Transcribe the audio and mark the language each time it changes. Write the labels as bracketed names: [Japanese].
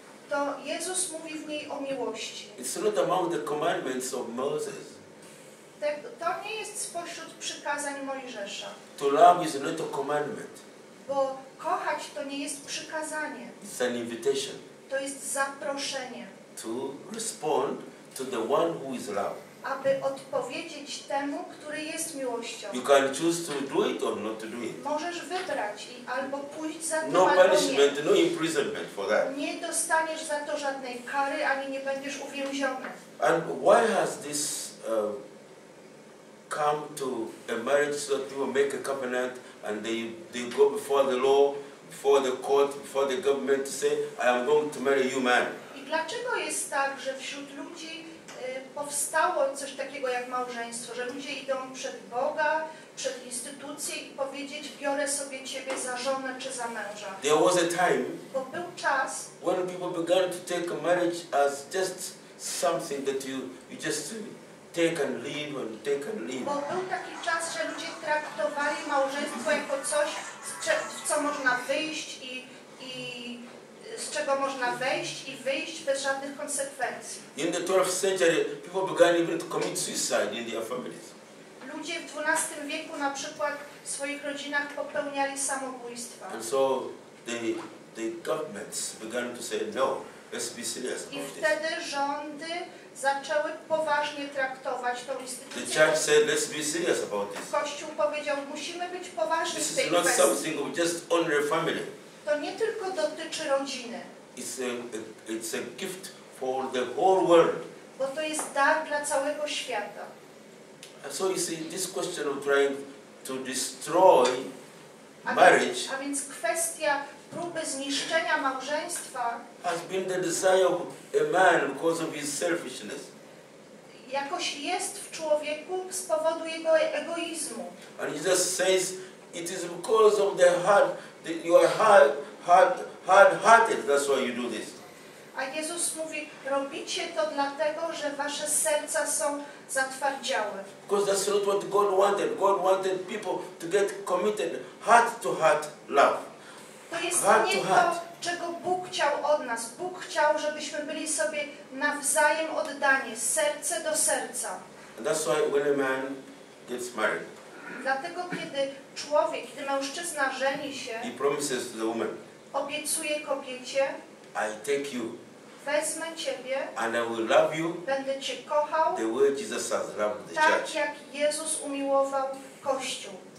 [Polish] To Jezus mówi w niej o miłości. [English] It's not among the commandments of Moses. Te [Polish] To nie jest spośród przykazań Mojżesza. [English] To love is not a commandment. [Polish] Bo kochać to nie jest przykazanie. [English] It's an invitation. [Polish] To jest zaproszenie. [English] To respond to the one who is love. [Polish] Aby odpowiedzieć temu, który jest miłością. [English] You can choose to do it or not to do it. [Polish] Możesz wybrać i albo pójść za tym, no albo [English] punishment, [Polish] nie. [English] No imprisonment for that. [Polish] Nie dostaniesz za to żadnej kary, ani nie będziesz uwięziony. [English] And why has this come to a marriage so that people make a covenant and they go before the law, before the court, before the government to say, I am going to marry you, man. [Polish] I dlaczego jest tak, że wśród ludzi powstało coś takiego jak małżeństwo, że ludzie idą przed Boga, przed instytucje i powiedzieć, biorę sobie ciebie za żonę czy za męża. [English] There was a time, [Polish] bo był czas, [English] when people began to take marriage as just something that you just take and leave and take and leave. [Polish] Bo był taki czas, że ludzie traktowali małżeństwo jako coś, co można wyjść i z czego można wejść i wyjść bez żadnych konsekwencji. [English] In the 12th century, people began even to commit suicide in their families. [Polish] Ludzie w XII wieku na przykład w swoich rodzinach popełniali samobójstwa. [English] And so the governments began to say, no, let's be serious about this. [Polish] I wtedy rządy zaczęły poważnie traktować tą instytucję. [English] The church said, let's be serious about this. [Polish] Kościół powiedział, musimy być poważni [English] this [Polish] w tej kwestii. [English] This is not something of just only family. [Polish] To nie tylko dotyczy rodziny. [English] It's a gift for the whole world. [Polish] Bo to jest dar dla całego świata. [English] And so you see, this question of trying to destroy marriage. [Polish] A więc kwestia próby zniszczenia małżeństwa. [English] Has been the desire of a man because of his selfishness. [Polish] Jakoś jest w człowieku z powodu jego egoizmu. [English] And he just says, it is because of the heart. You are hard-hearted, that's why you do this. [Polish] A Jezus mówi, robicie to dlatego, że wasze serca są zatwardziałe. [English] Because that's not what God wanted. God wanted people to get committed heart-to-heart love. [Polish] To jest heart nie to, heart. To, czego Bóg chciał od nas. Bóg chciał, żebyśmy byli sobie nawzajem oddani, serce do serca. [English] And that's why when a man gets married, [Polish] dlatego, kiedy człowiek, kiedy mężczyzna żeni się, [English] he promises to the woman, [Polish] obiecuje kobiecie, [English] I take you, [Polish] wezmę ciebie, [English] and I will love you, [Polish] będę cię kochał, [English] the way Jesus has loved the [Polish] tak [English] church. [Polish] Jak Jezus umiłował Kościół.